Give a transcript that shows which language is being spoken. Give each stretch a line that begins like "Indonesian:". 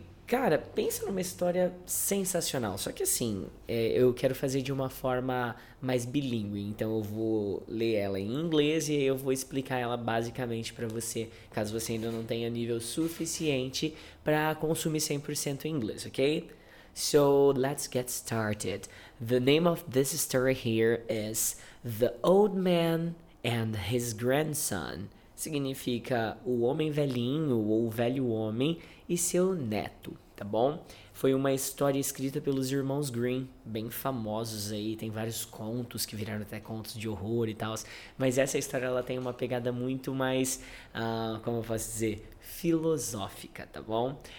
Portuguese: Cara, pensa numa história sensacional. Só que assim, eu quero fazer de uma forma mais bilíngue. Então eu vou ler ela em inglês e eu vou explicar ela basicamente para você, caso você ainda não tenha nível suficiente para consumir 100% em inglês, ok?
English: So let's get started. The name of this story here is The Old Man and His Grandson.
Portuguese: Significa o homem velhinho ou o velho homem e seu neto, tá bom? Foi uma história escrita pelos irmãos Grimm, bem famosos aí, tem vários contos que viraram até contos de horror e tals, mas essa história ela tem uma pegada muito mais, como eu posso dizer, filosófica, tá bom?